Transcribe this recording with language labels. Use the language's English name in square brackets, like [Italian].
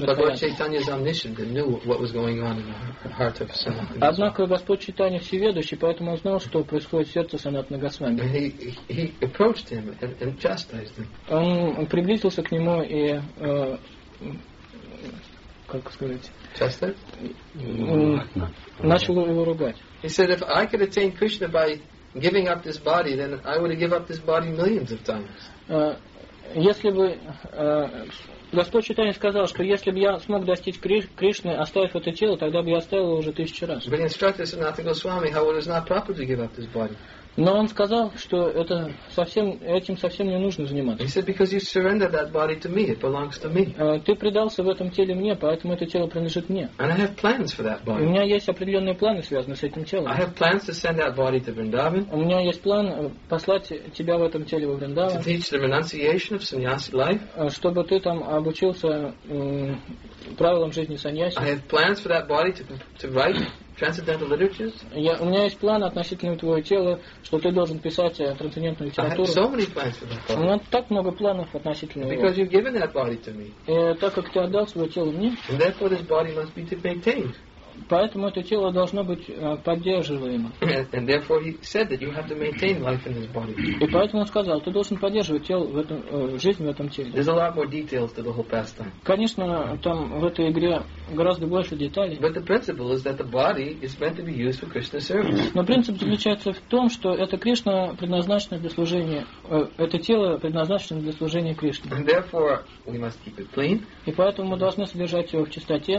[Russian] Радхаятры. Однако Господь Чайтанья всеведущий, поэтому он знал, что происходит в сердце Санатана Госвами. [English] He approached him and chastised him. [Russian] Он приблизился к нему и как сказать? [English] Chastised? [Russian] Начал его ругать. [English] He said, if I could attain Krishna by giving up this body, then I would give up this body millions of times. [Russian] Если бы Господь Чайтанья сказал, что если бы я смог достичь Кришны, оставив это тело, тогда бы я оставил его уже тысячу раз. [English] But he instructed Sanatana Goswami how it is not proper to give up this body. [Russian] Но он сказал, что это совсем, этим совсем не нужно заниматься. [English] He said, because you surrendered that body to me, it belongs to me. [Russian] Ты предался в этом теле мне, поэтому это тело принадлежит мне. [English] And I have plans for that body. [Russian] У меня есть определенные планы, связанные с этим телом. [English] I have plans to send that body to Vrindavan. [Russian] У меня есть план послать тебя в этом теле во Вриндаван. [English] To teach the renunciation of sannyasi life. [Russian] Чтобы ты там обучился правилам жизни саньяси. [English] I have plans for that body to write. Transcendental literatures. [Russian] У меня есть план относительно твоего тела, что ты должен писать трансцендентную литературу. [English] I have so many plans for that body. [Russian] У меня так много планов относительно его. [English] Because you've given that body to me. [Russian] И так как ты отдал свое тело мне. [English] And therefore this body must be maintained. [Russian] Поэтому это тело должно быть поддерживаемо. [English] And therefore he said that you have to maintain life in this body. [Russian] И поэтому он сказал, ты должен поддерживать тело в этом жизнь в этом теле. [English] There's a lot more details to the whole pastime. [Russian] Конечно, там в этой игре гораздо больше деталей. [English] But the principle is that the body is meant to be used for Krishna service. [Russian] Но принцип заключается в том, что это Кришна предназначено для служения, это тело предназначено для служения Кришне. [English] And therefore we must keep it clean. [Russian] И поэтому мы должны содержать его в чистоте.